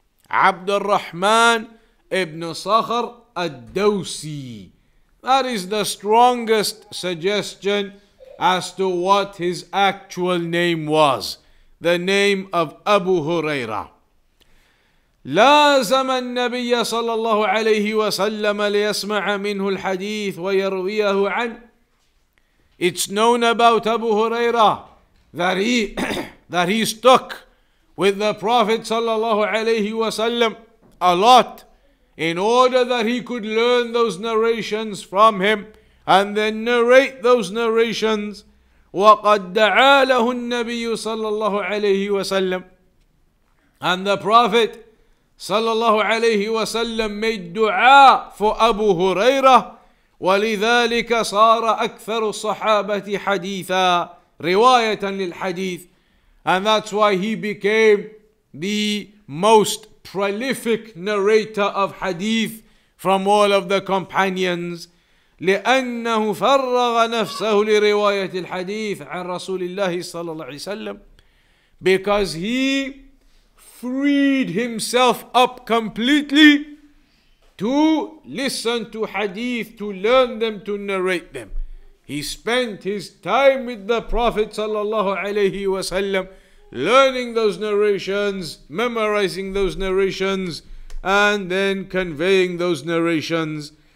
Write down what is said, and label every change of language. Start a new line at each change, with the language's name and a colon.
English: Abdul Rahman ibn Sakhr al-Dawsi. That is the strongest suggestion as to what his actual name was, the name of Abu Huraira.
Arabic: لازم النبي صلى الله عليه وسلم ليسمع منه الحديث ويرويه عن.
English: It's known about Abu Huraira that he stuck with the Prophet صلى الله عليه وسلم a lot in order that he could learn those narrations from him and then narrate those narrations.
Arabic: وقد دعا له النبي صلى الله عليه وسلم,
English: and the Prophet sallallahu alayhi wa sallam made dua for Abu Huraira.
Arabic: ولذلك صار أكثر الصحابة حديثا, رواية للحديث.
English: And that's why he became the most prolific narrator of hadith from all of the companions.
Arabic: لأنه فرغ نفسه لرواية الحديث عن رسول الله صلى الله عليه وسلم.
English: Because he freed himself up completely to listen to hadith, to learn them, to narrate them. He spent his time with the Prophet sallallahu alayhi wa sallam, learning those narrations, memorizing those narrations, and then conveying those narrations.